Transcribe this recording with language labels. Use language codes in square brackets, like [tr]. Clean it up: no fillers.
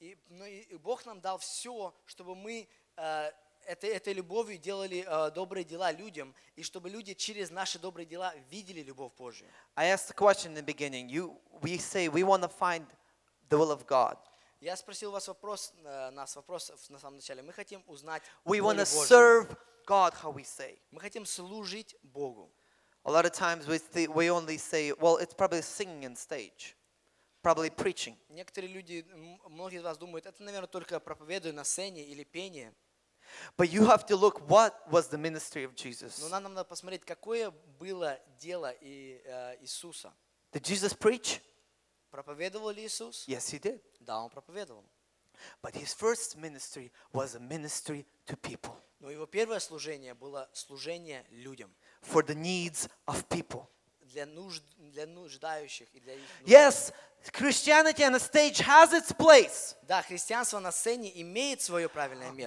[ru] И Бог нам дал все, чтобы мы этой любовью делали добрые дела людям, и чтобы люди через наши добрые дела видели любовь Божию. [en] I asked a question in the beginning. We say we want to find the will of God. [ru] Я спросил вас вопрос, нас вопрос на самом начале. Мы хотим узнать волю Божию. [en] We want to serve God, how we say. [ru] Мы хотим служить Богу. [en] A lot of times we only say, well, it's probably singing on stage. Probably preaching. [ru] Некоторые люди, многие из вас думают, это, наверное, только проповедую на сцене или пение. [en] But you have to look what was the ministry of Jesus. [ru] Но нам надо посмотреть, какое было дело Иисуса. [en] Did Jesus preach? [ru] Проповедовал ли Иисус? [en] Yes, he did. [ru] Да, он проповедовал. [en] But his first ministry was a ministry to people. [ru] Но его первое служение было служение людям. [en] For the needs of people. [ru] Для нуждающих и для их нужд. [en] Yes, Christianity on a stage has its place. [ru] Да, христианство на сцене имеет свое правильное место.